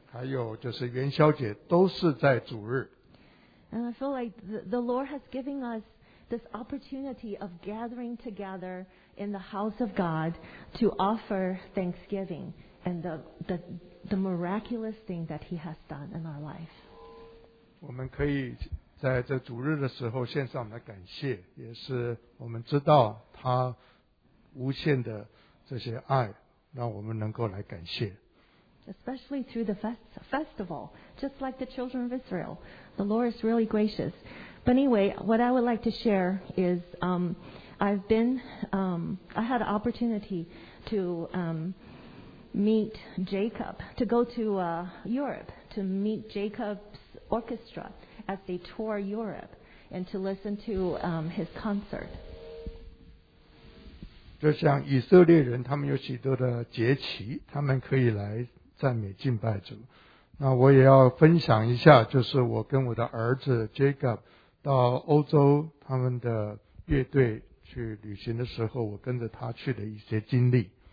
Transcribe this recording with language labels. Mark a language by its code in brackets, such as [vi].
[zh] 还有就是元宵节都是在主日。 [en] And I feel like the Lord has given us this opportunity of gathering together in the house of God to offer thanksgiving and the miraculous thing that He has done in our life. [zh] 我们可以在这主日的时候献上我们的感谢，也是我们知道他无限的这些爱，让我们能够来感谢。 [en] Especially through the festival, just like the children of Israel. The Lord is really gracious. But anyway, what I would like to share is I had an opportunity to meet Jacob, to go to Europe, to meet Jacob's orchestra as they tour Europe and to listen to his concert. [zh] 就像以色列人，他们有许多的节期，他们可以来赞美敬拜主。那我也要分享一下，就是我跟我的儿子 Jacob 到欧洲他们的乐队去旅行的时候，我跟着他去的一些经历。